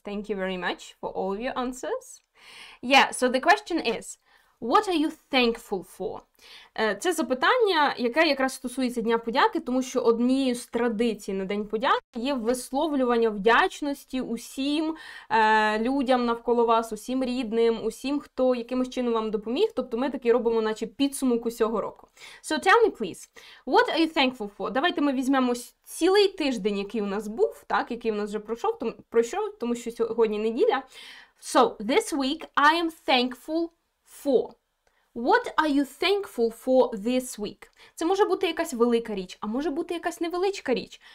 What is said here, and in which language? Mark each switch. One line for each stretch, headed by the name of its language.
English: Thank you very much for all your answers. Yeah, so the question is, what are you thankful for?
Ukrainian: Це запитання, яке якраз стосується Дня подяки, тому що однією з традицій на День подяки є висловлювання вдячності усім людям навколо вас, усім рідним, усім, хто якимось чином вам допоміг. Тобто ми такий робимо, наче підсумок усього року.
English: So tell me, please, what are you thankful for?
Ukrainian: Давайте ми візьмемо цілий тиждень, який у нас був, так, який у нас вже пройшов, тому що сьогодні неділя.
English: So this week I am thankful for. What are you thankful for this week?
Ukrainian: Це може бути якась велика річ, а може бути якась невеличка річ.